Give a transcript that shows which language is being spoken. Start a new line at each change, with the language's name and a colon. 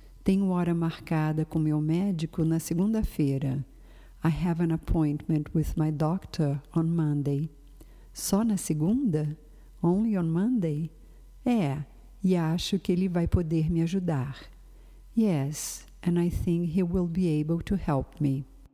Portuguese: Tenho hora marcada com meu médico na segunda-feira.
English: I have an appointment with my doctor on Monday.
Portuguese: Só na segunda?
English: Only on Monday?
Portuguese: É, e acho que ele vai poder me ajudar.
English: Yes, and I think he will be able to help me.